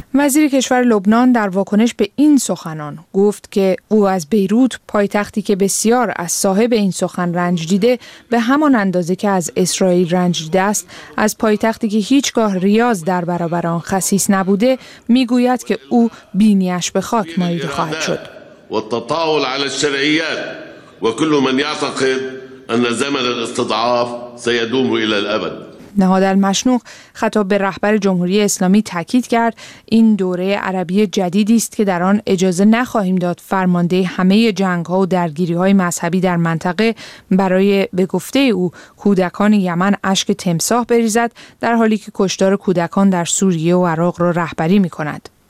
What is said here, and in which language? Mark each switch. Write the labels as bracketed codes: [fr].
[fa] وزیر کشور لبنان در واکنش به این سخنان گفت که او از بیروت، پایتختی که بسیار از صاحب این سخن رنج دیده، به همان اندازه که از اسرائیل رنج دیده است، از پایتختی که هیچگاه ریاض در برابر آن خسیس نبوده، میگوید که او بینیش به خاک مالیده خواهد شد. [ar] والتطاول على الشرعيات وكل من يعتقد ان زمن الاستضعاف سيدوم الى الابد. [fa] نهاد المشنوق خطاب به رهبر جمهوری اسلامی تاکید کرد این دوره عربی جدیدی است که در آن اجازه نخواهیم داد فرمانده همه جنگ‌ها و درگیری‌های مذهبی در منطقه برای به گفته او کودکان یمن اشک تمساح بریزد، در حالی که کشتار کودکان در سوریه و عراق را رهبری می‌کند.